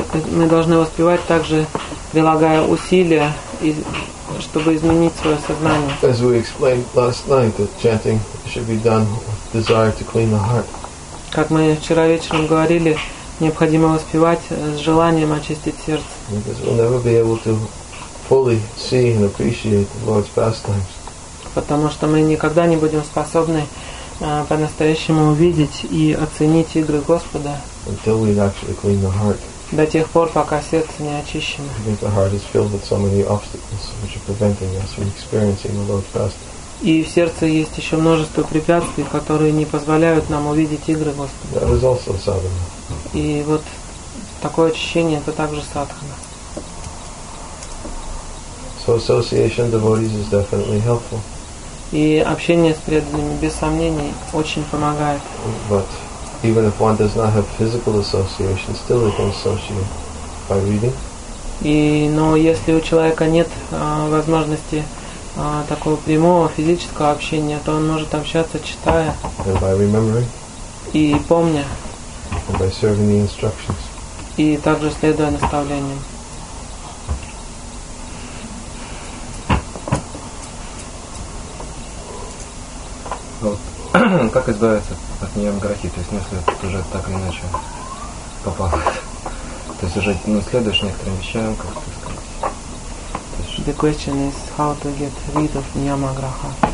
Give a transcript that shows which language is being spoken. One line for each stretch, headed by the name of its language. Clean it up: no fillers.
Russian: Мы должны воспевать также, прилагая усилия, чтобы изменить свое сознание.
English: As we explained last night, that chanting should be done with desire to clean the heart.
Russian: Как мы вчера вечером говорили, необходимо воспевать с желанием очистить сердце.
English: Because we'll never be able to fully see and appreciate the Lord's pastimes.
Russian: Потому что мы никогда не будем способны по-настоящему увидеть и оценить игры Господа.
English: Until we actually clean the heart.
Russian: До тех пор, пока сердце не очищено.
English: Because the heart is filled with so many obstacles, which are preventing us from experiencing the Lord's pastimes.
Russian: И в сердце есть еще множество препятствий, которые не позволяют нам увидеть игры Господа.
English: That is also sadhana.
Russian: И вот такое очищение это также садхана.
English: So association of devotees is definitely helpful.
Russian: И общение с преданными, без сомнений, очень помогает.
English: But even if one does not have physical association, still they can associate by reading.
Russian: Но если у человека нет возможности такого прямого физического общения, то он может общаться, читая.
English: And by remembering.
Russian: И помня.
English: And by serving the instructions.
Russian: И также следуя наставлениям. Как избавиться от ниямграхи, то есть если это уже так или иначе попало, то есть уже следуешь некоторым вещам, как ты сказал.
English: The question is how to get rid of niyamagraha.